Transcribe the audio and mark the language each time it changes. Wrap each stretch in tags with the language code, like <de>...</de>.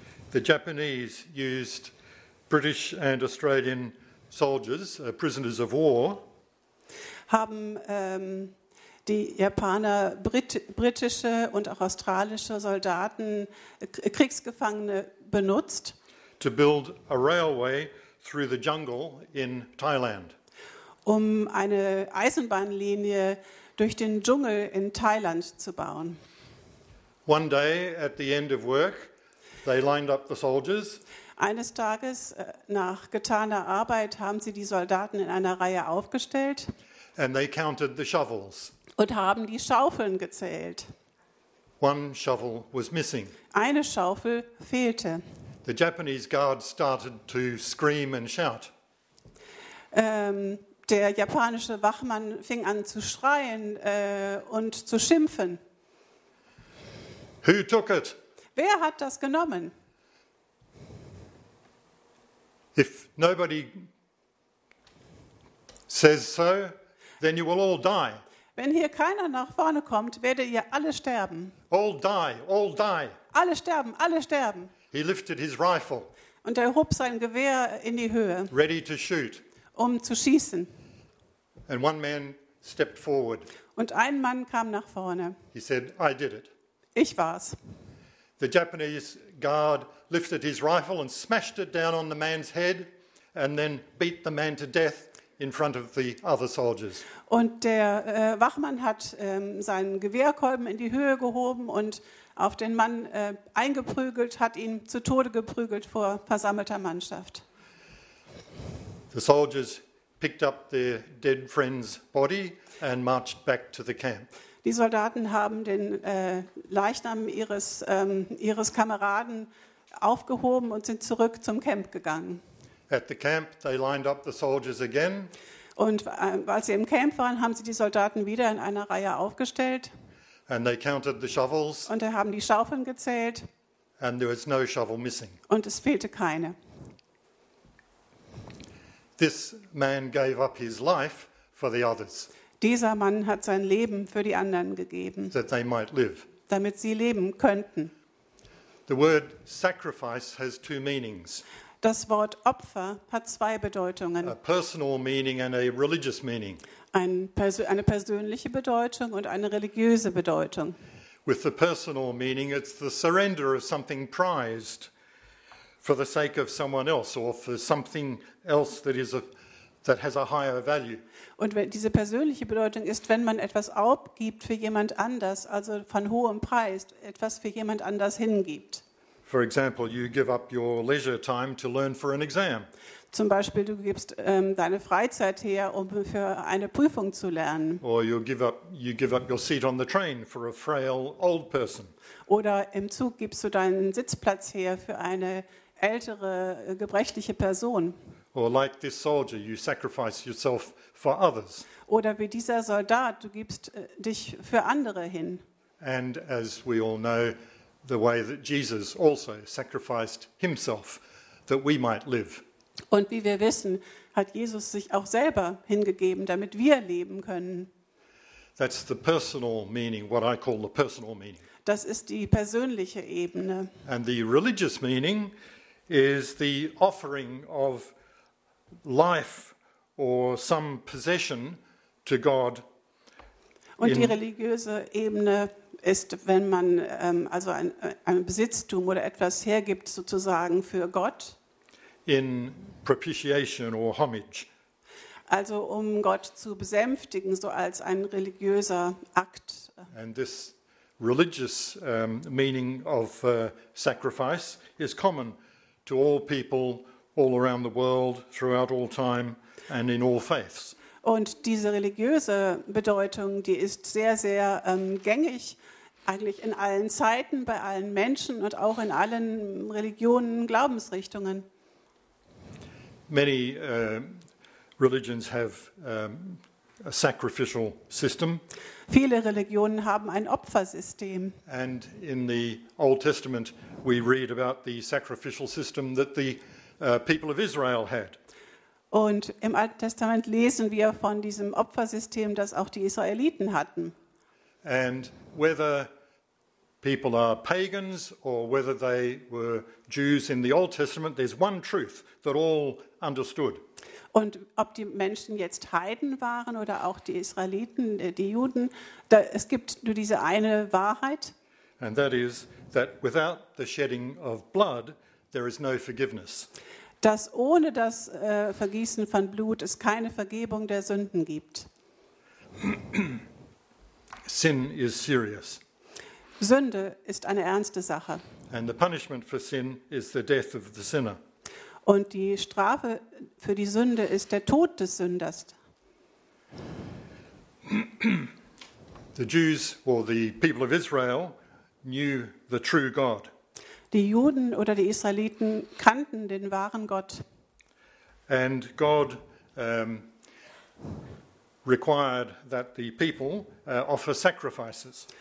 <en>the Japanese used British and Australian soldiers, prisoners of war,</en> <de>haben die Japaner britische und auch australische Soldaten, Kriegsgefangene benutzt,</de> <en>to build a railway through the jungle in Thailand,</en> <de>um eine Eisenbahnlinie durch den Dschungel in Thailand zu bauen.</de> <en>One day at the end of work, they lined up the soldiers.</en> <de>Eines Tages nach getaner Arbeit haben sie die Soldaten in einer Reihe aufgestellt.</de> <en>And they counted the shovels.</en> <de>Und haben die Schaufeln gezählt.</de> <en>One shovel was missing.</en> <de>Eine Schaufel fehlte.</de> <en>The Japanese guard started to scream and shout.</en> <de>Der japanische Wachmann fing an zu schreien und zu schimpfen.</de> <en>Who took it?</en> <de>Wer hat das genommen?</de> <en>If nobody says so, then you will all die.</en> <de>Wenn hier keiner nach vorne kommt, werdet ihr alle sterben.</de> <en>All die, all die.</en> <de>Alle sterben, alle sterben.</de> <en>He lifted his rifle.</en> <de>Und er hob sein Gewehr in die Höhe.</de> <en>Ready to shoot.</en> <de>Um zu schießen.</de> <en>And one man stepped forward.</en> <de>Und ein Mann kam nach vorne.</de> <en>He said, I did it.</en> <de>Ich war's.</de> <en>The Japanese guard lifted his rifle and smashed it down on the man's head and then beat the man to death in front of the other soldiers.</en> <de>Und der Wachmann hat seinen Gewehrkolben in die Höhe gehoben und auf den Mann eingeprügelt, hat ihn zu Tode geprügelt vor versammelter Mannschaft.</de> <en>The soldiers picked up their dead friend's body and marched back to the camp.</en> <de>Die Soldaten haben den Leichnam ihres Kameraden aufgehoben und sind zurück zum Camp gegangen.</de> <en>At the camp they lined up the soldiers again.</en> <de>Und als sie im Camp waren, haben sie die Soldaten wieder in einer Reihe aufgestellt.</de> <en>And they counted the shovels.</en> <de>Und sie haben die Schaufeln gezählt.</de> <en>And there was no shovel missing.</en> <de>Und es fehlte keine.</de> <en>This man gave up his life for the others.</en> <de>Dieser Mann hat sein Leben für die anderen gegeben.</de> <en>That they might live.</en> <de>Damit sie leben könnten.</de> <en>The word sacrifice has two meanings.</en> <de>Das Wort Opfer hat zwei Bedeutungen.</de> <en>A personal meaning and a religious meaning.</en> <de>Eine persönliche Bedeutung und eine religiöse Bedeutung.</de> <en>With the personal meaning, it's the surrender of something prized for the sake of someone else or for something else that is of that has a higher value.</en> <de>Und wenn diese persönliche Bedeutung ist, wenn man etwas aufgibt für jemand anders, also von hohem Preis, etwas für jemand anders hingibt.</de> <en>For example, you give up your leisure time to learn for an exam.</en> <de>Zum Beispiel, du gibst deine Freizeit her, um für eine Prüfung zu lernen.</de> <en>Or you give up your seat on the train for a frail old person.</en> <de>Oder im Zug gibst du deinen Sitzplatz her für eine ältere, gebrechliche Person.</de> <en>Or like this soldier, you sacrifice yourself for others.</en> <de>Oder wie dieser Soldat, du gibst dich für andere hin.</de> <en>And as we all know, the way that Jesus also sacrificed himself that we might live.</en> <de>Und wie wir wissen, hat Jesus sich auch selber hingegeben, damit wir leben können.</de> <en>That's the personal meaning, what I call the personal meaning.</en> <de>Das ist die persönliche Ebene.</de> <en>And the religious meaning is the offering of life or some possession to God.</en> <de>Und die religiöse Ebene ist, wenn man also ein Besitztum oder etwas hergibt sozusagen für Gott.</de> <en>In propitiation or homage.</en> <de>Also um Gott zu besänftigen, so als ein religiöser Akt.</de> <en>And this religious meaning of sacrifice is common to all people all around the world, throughout all time and in all faiths.</en> <de>Und diese religiöse Bedeutung, die ist sehr, sehr gängig, eigentlich in allen Zeiten, bei allen Menschen und auch in allen Religionen, Glaubensrichtungen.</de> <en>Many religions have a sacrificial system.</en> <de>Viele Religionen haben ein Opfersystem.</de> <en>And in the Old Testament we read about the sacrificial system that the people of Israel had.</en> <de>Und im Alten Testament lesen wir von diesem Opfersystem, das auch die Israeliten hatten.</de> <en>And whether people are pagans or whether they were Jews in the Old Testament, there's one truth that all understood.</en> <de>Und ob die Menschen jetzt Heiden waren oder auch die Israeliten, die Juden, da, es gibt nur diese eine Wahrheit.</de> <en>And that is that without the shedding of blood, there is no forgiveness.</en> <de>Dass ohne das Vergießen von Blut es keine Vergebung der Sünden gibt.</de> <en>Sin is serious.</en> <de>Sünde ist eine ernste Sache.</de> <en>And the punishment for sin is the death of the sinner.</en> <de>Und die Strafe für die Sünde ist der Tod des Sünders.</de> <en>The Jews or the people of Israel knew the true God.</en> <de>Die Juden oder die Israeliten kannten den wahren Gott.</de> <en>And God required that the people offer sacrifices.</en>